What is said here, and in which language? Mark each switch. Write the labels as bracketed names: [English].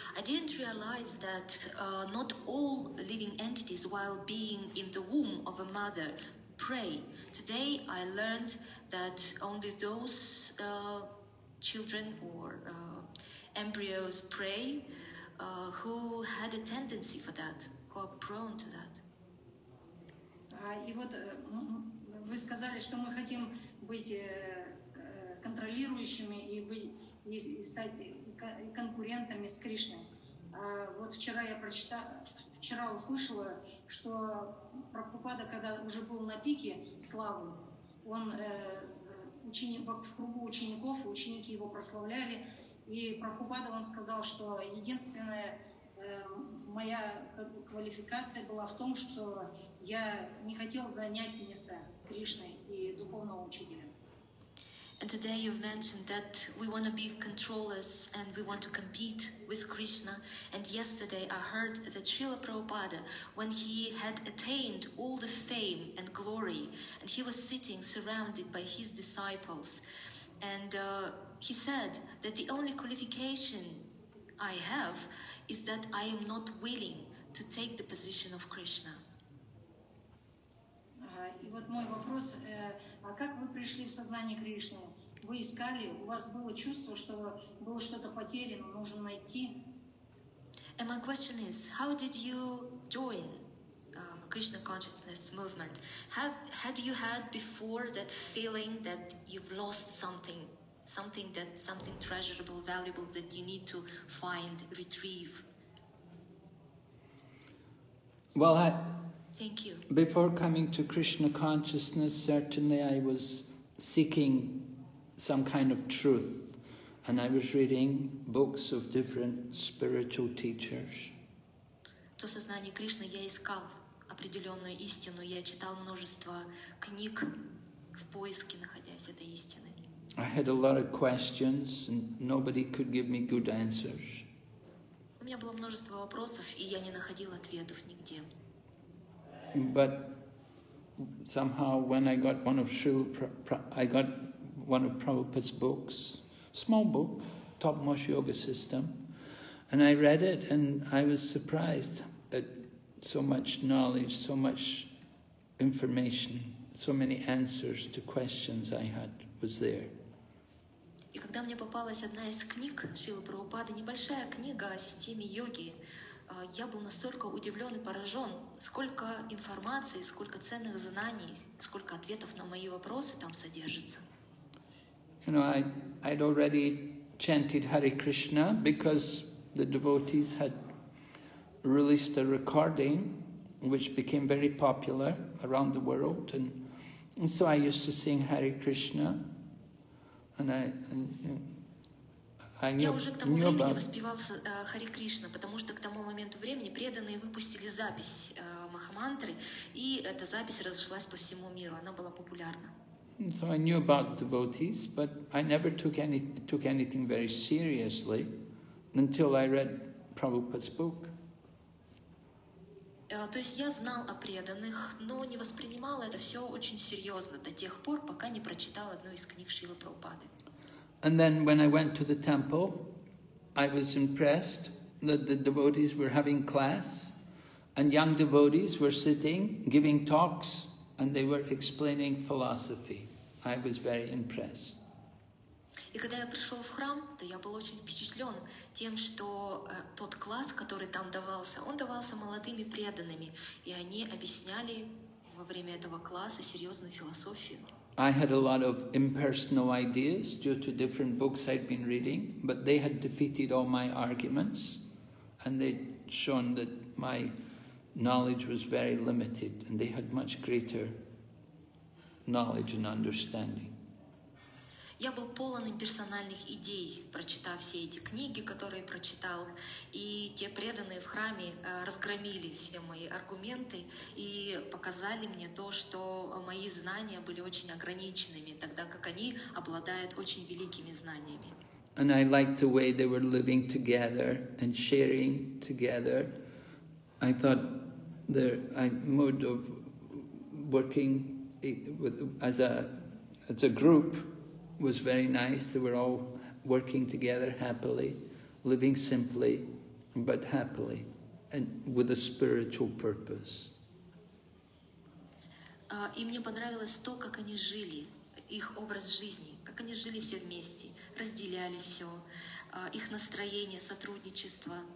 [English] I didn't realize that not all living entities while being in the womb of a mother pray. Today I learned that only those children or embryos pray. who had a tendency for that, who are prone to that. [Russian] И вот вы сказали, что мы хотим быть контролирующими и быть и стать конкурентами с Кришной. Вот вчера я вчера услышала, что Прабхупада, когда уже был на пике славы, он в кругу учеников, ученики его прославляли, и Прабхупада он сказал, что единственная моя квалификация была в том, что я не хотел занять место Кришны и духовного учителя. [English] And today you've mentioned that we want to be controllers and we want to compete with Krishna. And yesterday I heard that Srila Prabhupada, when he had attained all the fame and glory, and he was sitting surrounded by his disciples, and he said that the only qualification I have is that I am not willing to take the position of Krishna. [Russian] И вот мой вопрос, а как вы пришли в сознание Кришны? Вы искали, у вас было чувство, что было что-то потеряно, нужно найти? [English] And my question is, how did you join Krishna Consciousness Movement? Had you had before that feeling that you've lost something, something treasurable, valuable that you need to find, retrieve? Well, I... Thank you. Before coming to Krishna consciousness, certainly I was seeking some kind of truth, and I was reading books of different spiritual teachers. [Russian] То сознание Кришны я искал определенную истину. Я читал множество книг в поиске, находясь этой истины. [English] I had a lot of questions, and nobody could give me good answers. [Russian] У меня было множество вопросов, и я не находил ответов нигде. [English] But somehow, when I got one of Srila, I got one of Prabhupada's books, small book, Topmost Yoga System, and I read it, and I was surprised at so much knowledge, so much information, so many answers to questions I had was there. [Russian] И когда мне попалась одна из книг Шрилы Прабхупады, небольшая книга о системе йоги. Я был настолько удивлен и поражен, сколько информации, сколько ценных знаний, сколько ответов на мои вопросы там содержится. [English] You know, I'd already chanted Hare Krishna because the devotees had released a recording which became very popular around the world, and so I used to sing Hare Krishna, and [Russian] Я уже к тому времени воспевал Хари Кришна, потому что к тому моменту времени преданные выпустили запись Махамантры, и эта запись разошлась по всему миру. Она была популярна. [English] So I knew about devotees, but I never took anything very seriously until I read Prabhupada's book. [Russian] То есть я знал о преданных, но не воспринимал это все очень серьезно до тех пор, пока не прочитал одну из книг Шрилы Прабхупады. [English] And then when I went to the temple, I was impressed that the devotees were having class, and young devotees were sitting, giving talks, and they were explaining philosophy. I was very impressed. [Russian] И когда я пришел в храм, то я был очень впечатлен тем, что тот класс, который там давался, он давался молодыми преданными, и они объясняли во время этого класса серьезную философию. [English] I had a lot of impersonal ideas due to different books I'd been reading, but they had defeated all my arguments, and they'd shown that my knowledge was very limited, and they had much greater knowledge and understanding. [Russian] Я был полон имперсональных идей, прочитав все эти книги, которые прочитал, и те преданные в храме разгромили все мои аргументы и показали мне то, что мои знания были очень ограниченными, тогда как они обладают очень великими знаниями. [English] And I liked the way they were living together and sharing together. I thought their mood of working as a group was very nice. They were all working together happily, living simply, but happily, and with a spiritual purpose. [Russian] И мне понравилось то, как они жили, их образ жизни, как они жили все вместе, разделяли все, их настроение, сотрудничество,